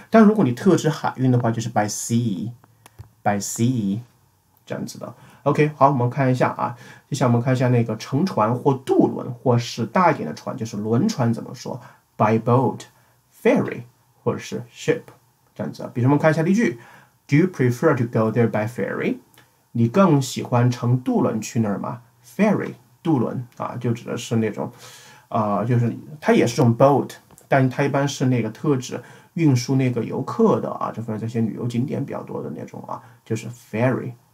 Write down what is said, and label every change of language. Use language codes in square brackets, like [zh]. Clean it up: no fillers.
[zh] 但如果你特指海运的话，就是 by sea 这样子的。 OK，好，我们看一下啊，接下来我们看一下那个乘船或渡轮，或是大一点的船，就是轮船怎么说？by boat、ferry 或者是 ship 这样子。比如我们看一下例句： [en] Do you prefer to go there by ferry？ [zh] 你更喜欢乘渡轮去那儿吗？ferry 渡轮啊，就指的是那种，就是它也是种 boat，但它一般是那个特指运输那个游客的啊，这方面这些旅游景点比较多的那种啊，就是 ferry。